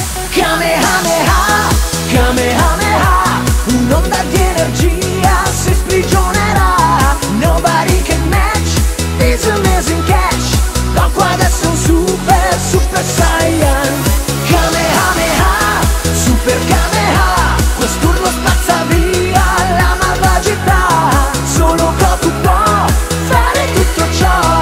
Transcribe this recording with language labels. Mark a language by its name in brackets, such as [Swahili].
[Italian] Kamehameha, Kamehameha, un'onda di energia si sprigionerà. [English] Nobody can match this amazing catch. [Italian] Goku adesso è un super, super Saiyan. Kamehameha, super Kameha, quest'urlo spazza via la malvagità. Solo Goku può fare tutto ciò.